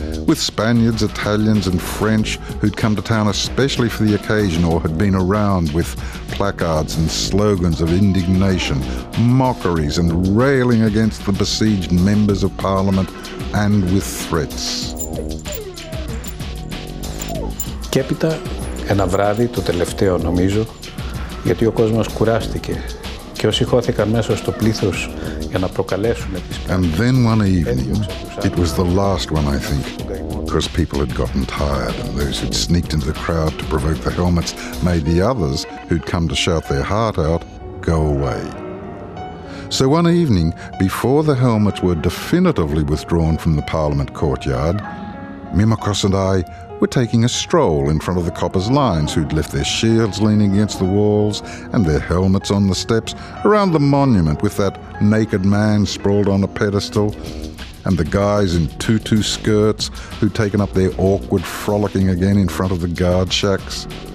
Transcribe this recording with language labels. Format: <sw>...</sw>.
<en>with Spaniards, Italians and French who'd come to town especially for the occasion or had been around with placards and slogans of indignation, mockeries and railing against the besieged members of Parliament and with threats.</en> <el>Και έπειτα ένα βράδυ, το τελευταίο νομίζω, γιατί ο κόσμος κουράστηκε και όσοι χώθηκαν μέσα στο πλήθος για να προκαλέσουν τις</el> <en>And then one evening, it was the last one I think, because people had gotten tired and those who'd sneaked into the crowd to provoke the helmets made the others, who'd come to shout their heart out, go away. So one evening, before the helmets were definitively withdrawn from the Parliament courtyard, Mimikos and I were taking a stroll in front of the coppers' lines who'd left their shields leaning against the walls and their helmets on the steps around the monument with that naked man sprawled on a pedestal and the guys in tutu skirts who'd taken up their awkward frolicking again in front of the guard shacks.</en>